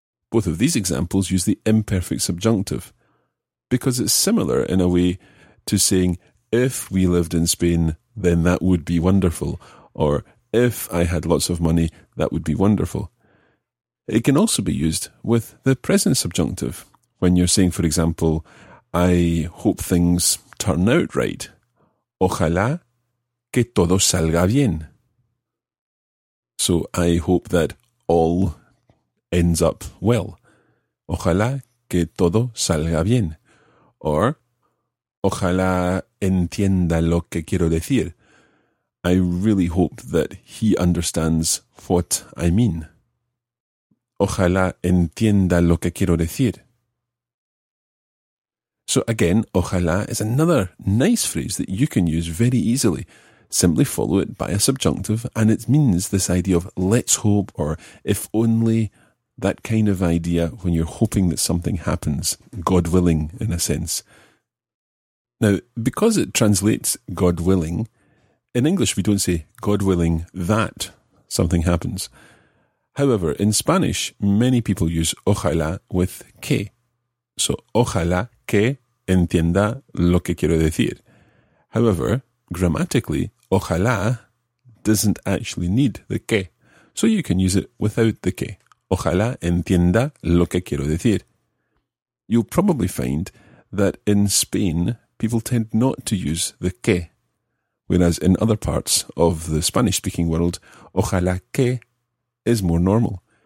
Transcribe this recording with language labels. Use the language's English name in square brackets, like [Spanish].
[English] Both of these examples use the imperfect subjunctive, because it's similar in a way to saying, if we lived in Spain, then that would be wonderful. Or, if I had lots of money, that would be wonderful. It can also be used with the present subjunctive, when you're saying, for example, I hope things turn out right. [Spanish] Ojalá que todo salga bien. [English] So I hope that all ends up well. [Spanish] Ojalá que todo salga bien. Or, ojalá entienda lo que quiero decir. [English] I really hope that he understands what I mean. [Spanish] Ojalá entienda lo que quiero decir. [English] So again, ojalá is another nice phrase that you can use very easily. Simply follow it by a subjunctive and it means this idea of let's hope or if only, that kind of idea when you're hoping that something happens, God willing in a sense. Now, because it translates God willing, in English we don't say God willing that something happens. However, in Spanish, many people use ojalá with que. [Spanish] So, ojalá que entienda lo que quiero decir. [English] However, grammatically, ojalá doesn't actually need the que. So you can use it without the que. [Spanish] Ojalá entienda lo que quiero decir. [English] you'll probably find that in Spain, people tend not to use the que, whereas in other parts of the Spanish-speaking world, ojalá que is more normal.